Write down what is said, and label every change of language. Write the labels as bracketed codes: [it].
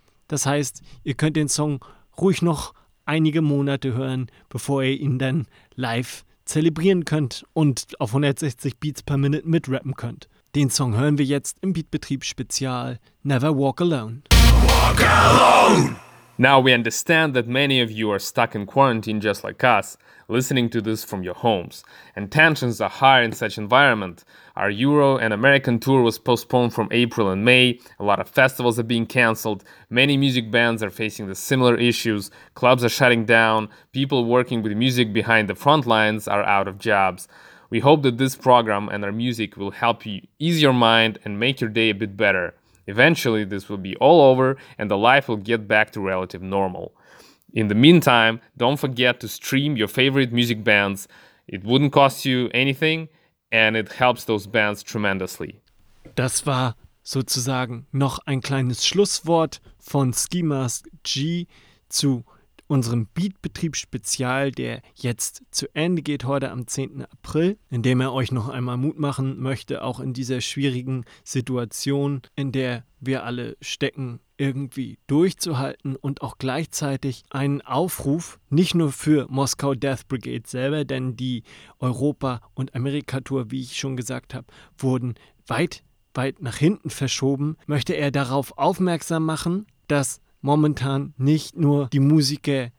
[de] Das heißt, ihr könnt den Song ruhig noch einige Monate hören, bevor ihr ihn dann live zelebrieren könnt und auf 160 Beats per Minute mitrappen könnt. Den Song hören wir jetzt im Beatbetrieb-Spezial Never Walk Alone. [en] Walk Alone! Now we understand that many of you are stuck in quarantine just like us, listening to this from your homes. And tensions are high in such environment. Our Euro and American tour was postponed from April and May. A lot of festivals are being cancelled. Many music bands are facing the similar issues. Clubs are shutting down. People working with music behind the front lines are out of jobs. We hope that this program and our music will help you ease your mind and make your day a bit better. Eventually, this will be all over and the life will get back to relative normal. In the meantime, don't forget to stream your favorite music bands. It wouldn't cost you anything and it helps those bands tremendously. [de] Das war sozusagen noch ein kleines Schlusswort von Ski Mask G zu unserem Beatbetriebsspezial, der jetzt zu Ende geht heute am 10. April, in dem er euch noch einmal Mut machen möchte, auch in dieser schwierigen Situation, in der wir alle stecken, irgendwie durchzuhalten, und auch gleichzeitig einen Aufruf, nicht nur für Moskau Death Brigade selber, denn die Europa- und Amerika-Tour, wie ich schon gesagt habe, wurden weit, weit nach hinten verschoben, möchte er darauf aufmerksam machen, dass momentan nicht nur die Musiker